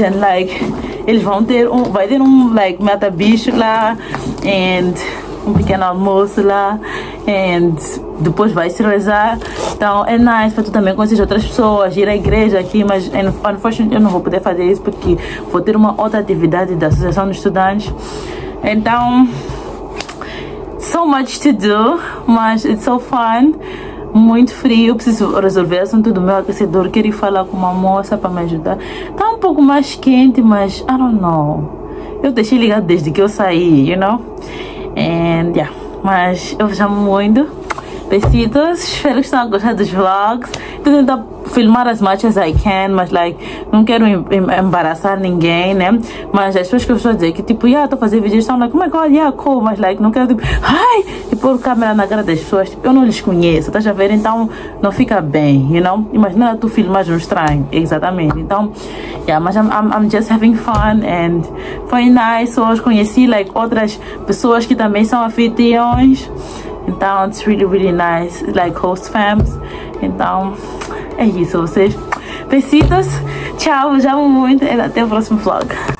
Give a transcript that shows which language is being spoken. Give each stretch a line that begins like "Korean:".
English: And like,
Portuguese: eles vão ter um, vai ter um,
English: like,
Portuguese: mata-bicho lá.
English: And
Portuguese: um pequeno almoço lá.
English: And
Portuguese: depois vai se rezar. Então, é
English: nice
Portuguese: para tu também conhecer outras pessoas, ir à igreja aqui. Mas,
English: unfortunately,
Portuguese: eu não vou poder fazer isso porque vou ter uma outra atividade da Associação dos Estudantes. Então,
English: so much to do,
Portuguese: mas
English: it's so fun.
Portuguese: Muito frio, preciso resolver o assunto do meu aquecedor. Quero ir falar com uma moça para me ajudar. Tá um pouco mais quente, mas
English: I don't know.
Portuguese: Eu deixei ligado desde que eu saí,
English: you know? And yeah,
Portuguese: mas eu vos amo muito. Besitos, espero que tenham gostado dos vlogs. Tô tentando filmar
English: as much as I can,
Portuguese: mas
English: like,
Portuguese: não quero embaraçar ninguém, né? Mas as pessoas que eu estou a dizer que tipo,
English: yeah,
Portuguese: tô fazendo vídeos, estão
English: like, oh my god, yeah, cool,
Portuguese: mas
English: like,
Portuguese: não quero tipo, ai, e pôr câmera na cara das pessoas, tipo, eu não lhes conheço, tá já vendo? Então, não fica bem,
English: you know?
Portuguese: Imagina tu filmar um estranho, exatamente. Então,
English: yeah,
Portuguese: mas
English: I'm just having fun and
Portuguese: foi
English: nice
Portuguese: hoje, conheci
English: like
Portuguese: outras pessoas que também são anfitriões. Então,
English: it's really, really nice, like host fams.
Portuguese: Então, é isso, vocês. Besitos, tchau, já amo muito e até o próximo vlog.